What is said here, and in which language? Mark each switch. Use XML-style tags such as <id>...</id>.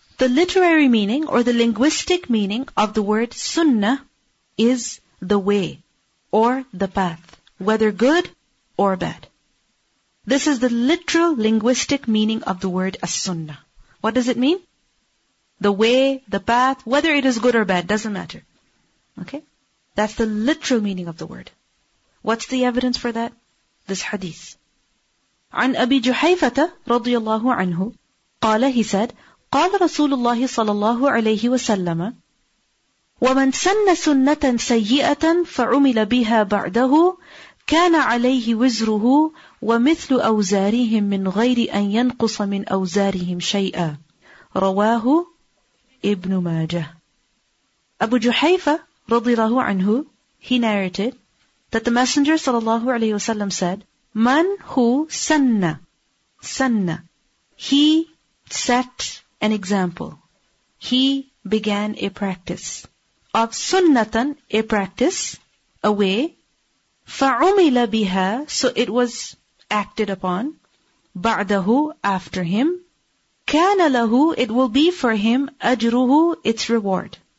<en>The literary meaning or the linguistic meaning of the word Sunnah is the way or the path, whether good or bad. This is the literal linguistic meaning of the word as-sunnah. What does it mean? The way, the path, whether it is good or bad, doesn't matter. Okay? That's the literal meaning of the word. What's the evidence for that? This hadith.</en> <ar>عن أبي جحيفة رضي الله عنه قال,</ar> <en>he said,</en> <ar>قال رسول الله صلى الله عليه وسلم ومن سن سنة سيئة فعمل بها بعده كان عليه وزره ومثل أوزارهم من غير أن ينقص من أوزارهم شيئا رواه ابن ماجه.</ar> <en>Abu Juhayfa</en> <ar>رضي الله عنه,</ar> <en>he narrated that the Messenger</en> <ar>صلى الله عليه وسلم</ar> <en>said,</en> <ar>من هو سنة, سنة,</ar> <en>he set an example, he began a practice of sunnatan, a practice, a way,</en> <ar>فَعُمِلَ بِهَا,</ar> <en>so it was acted upon,</en> <ar>بَعْدَهُ,</ar> <en>after him,</en> <ar>كَانَ لَهُ,</ar> <en>it will be for him,</en> <ar>أَجْرُهُ,</ar> <en>its reward.</en>